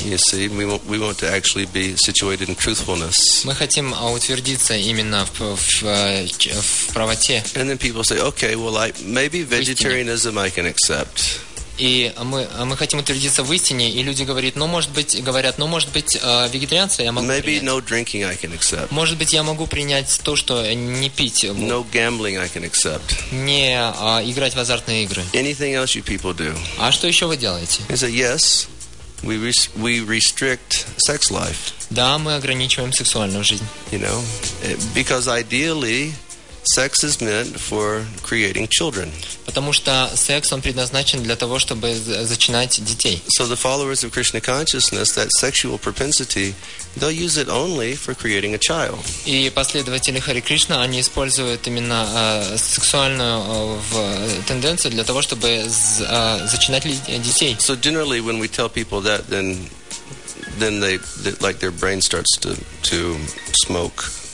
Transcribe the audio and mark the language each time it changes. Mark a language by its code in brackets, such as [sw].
[en] You see, we want to actually be situated in truthfulness. [ru] Мы хотим утвердиться именно в правоте. [en] And then people say, okay, well, maybe vegetarianism I can accept. [ru] И мы хотим утвердиться в истине, и люди говорят, ну, может быть, вегетарианство я могу [en] Maybe [ru] принять. [en] No drinking I can accept. [ru] Может быть, я могу принять то, что не пить. [en] No gambling I can accept. [ru] Не играть в азартные игры. [en] Anything else you people do. [ru] А что еще вы делаете? [en] He said, yes, we restrict sex life. [ru] Да, мы ограничиваем сексуальную жизнь. [en] You know, because ideally... Sex is meant for creating children. [ru] Потому что секс он предназначен для того, чтобы зачинать детей. [en] So the followers of Krishna consciousness, that sexual propensity, they'll use it only for creating a child. [ru] И последователи Хари Кришна они используют именно сексуальную тенденцию для того, чтобы зачинать детей. [en] So generally, when we tell people that, then they like their brain starts to smoke.